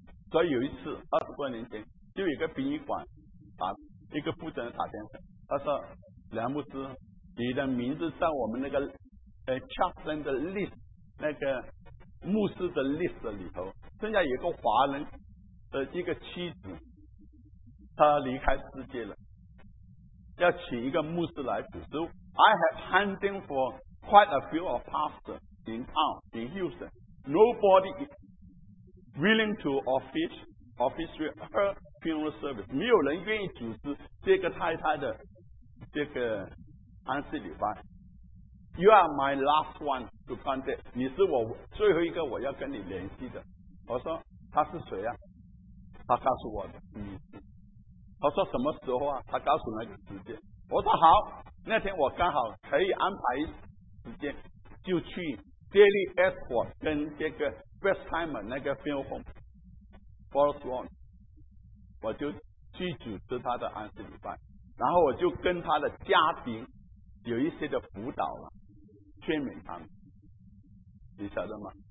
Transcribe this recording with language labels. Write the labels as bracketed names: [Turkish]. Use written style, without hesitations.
[Chinese] 所以有一次20多年前就有一个殡仪馆打一个负责人打电话，他说梁牧师，你的名字在我们那个chaplain 的 list 那个牧师的 list 里头，现在有个华人的一个妻子，他离开世界了，要请一个牧师来主持。 [English] I have hunting for quite a few of pastors in town in Houston. Nobody willing to officiate her funeral service. [Chinese] 没有人愿意主持这个太太的这个安息礼拜。 [English] You are my last one to contact. [Chinese] 你是我最后一个我要跟你联系的。我说他是谁啊？他告诉我的名字。他说什么时候啊？他告诉那个时间。我说好，那天我刚好可以安排时间，就去 Daily Airport 跟这个 Westheimer 那个 Field Home Forest Lawn， 我就去组织他的安息礼拜，然后我就跟他的家庭有一些的辅导了，劝勉他们，你晓得吗？